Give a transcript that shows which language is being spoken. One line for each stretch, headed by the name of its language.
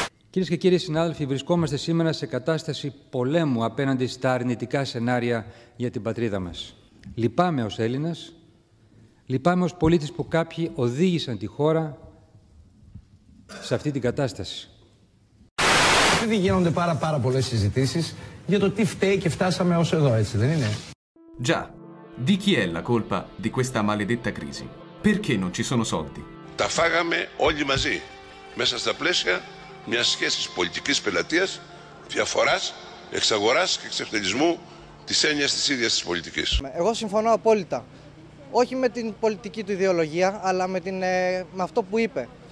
Greek: Κυρίες και κύριοι συνάδελφοι, βρισκόμαστε σήμερα σε κατάσταση πολέμου απέναντι στα αρνητικά σενάρια για την πατρίδα μας. Λυπάμαι ως Έλληνας, λυπάμαι ως πολίτης που κάποιοι οδήγησαν τη χώρα σε αυτή την κατάσταση. Επειδή γίνονται πάρα πολλές συζητήσεις για το τι φταίει και φτάσαμε ως εδώ, έτσι δεν είναι?
Italian: Già, di chi è la colpa di questa maledetta crisi? Perché non ci sono soldi?
Greek: Τα φάγαμε όλοι μαζί, μέσα στα πλαίσια μια σχέση πολιτική πελατεία, διαφορά, εξαγορά και εξευτελισμού τη έννοια τη ίδια τη πολιτική. Εγώ συμφωνώ απόλυτα. Όχι με την πολιτική του ιδεολογία, αλλά με αυτό που είπε.